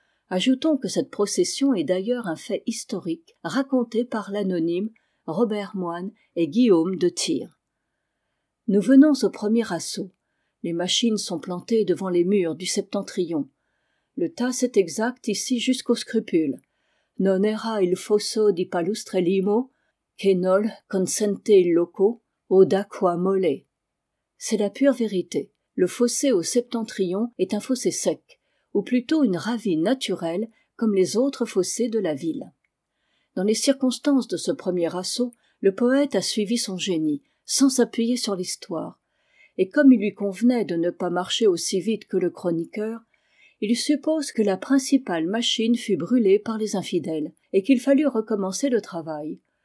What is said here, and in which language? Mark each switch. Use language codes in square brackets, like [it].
[fr] Ajoutons que cette procession est d'ailleurs un fait historique raconté par l'anonyme Robert Moine et Guillaume de Tyr. Nous venons au premier assaut. Les machines sont plantées devant les murs du septentrion. Le Tasse est exact ici jusqu'au scrupule. [it] Non era il fosso di palustre limo, che nol consente il loco, o da qua mole. [fr] C'est la pure vérité. Le fossé au septentrion est un fossé sec, ou plutôt une ravine naturelle, comme les autres fossés de la ville. Dans les circonstances de ce premier assaut, le poète a suivi son génie, sans s'appuyer sur l'histoire. Et comme il lui convenait de ne pas marcher aussi vite que le chroniqueur, il suppose que la principale machine fut brûlée par les infidèles, et qu'il fallut recommencer le travail.